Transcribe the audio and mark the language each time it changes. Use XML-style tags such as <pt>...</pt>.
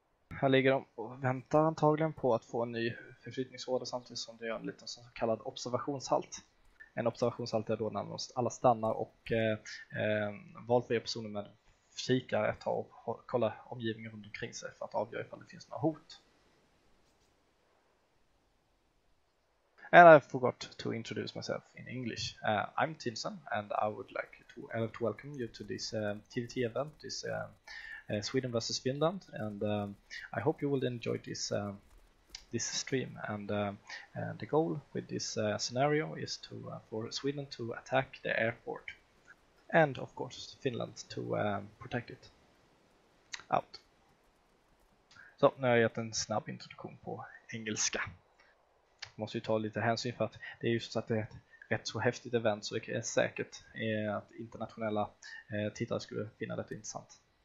<sv>Här ligger de och väntar antagligen på att få en ny förflyttningsorder, samtidigt som det gör en liten så kallad observationshalt. En observationshalt är då när alla stannar och valfria personer med kikar ett tag och kollar omgivningen runt omkring sig för att avgöra ifall det finns några hot.</sv> <en>And I forgot to introduce myself in English. I'm Tinsen and I would like to welcome you to this TVT event, this Sweden versus Finland, and I hope you will enjoy this this stream. And the goal with this scenario is to for Sweden to attack the airport, and of course Finland to protect it. Out.</en> <sv>Så nu har jag gett en snabb introduktion på engelska. Måste ju ta lite hänsyn för att det är just så att det är ett rätt så häftigt event, så det är säkert att internationella tittare skulle finna det intressant.</sv>